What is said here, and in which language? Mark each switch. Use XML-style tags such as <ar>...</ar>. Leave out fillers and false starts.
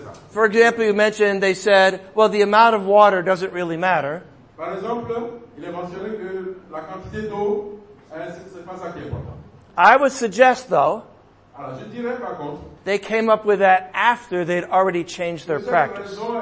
<en>For example, you mentioned they said, well, the amount of water doesn't really matter.</en> <fr>Par exemple, il est mentionné que la quantité d'eau, c'est pas ça qui est important.</fr> <en>I would suggest, though,</en> <fr>alors, je dirais, par contre,</fr> <en>they came up with that after they'd already changed their practice.</en>